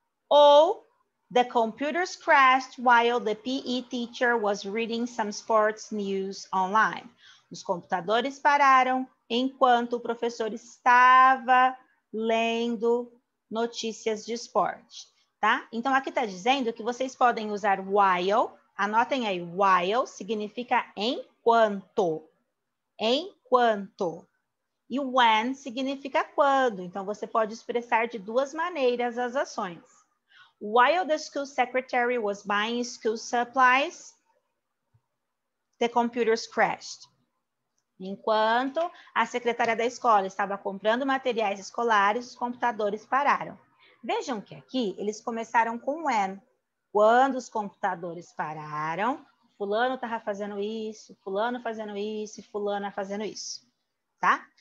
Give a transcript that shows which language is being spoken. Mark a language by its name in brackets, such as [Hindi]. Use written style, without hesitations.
[English] Ou, the computers crashed while the PE teacher was reading some sports news online. [Portuguese] Os computadores pararam enquanto o professor estava lendo notícias de esporte, tá? Então, aqui está dizendo que vocês podem usar while. Anotem aí, while significa enquanto. Enquanto. E when significa quando. Então, você pode expressar de duas maneiras as ações. [English] While the school secretary was buying school supplies, the computers crashed. [Portuguese] Enquanto a secretária da escola estava comprando materiais escolares, os computadores pararam. Vejam que aqui eles começaram com when. Quando os computadores pararam, fulano estava fazendo isso, fulano fazendo isso e fulana fazendo isso, tá?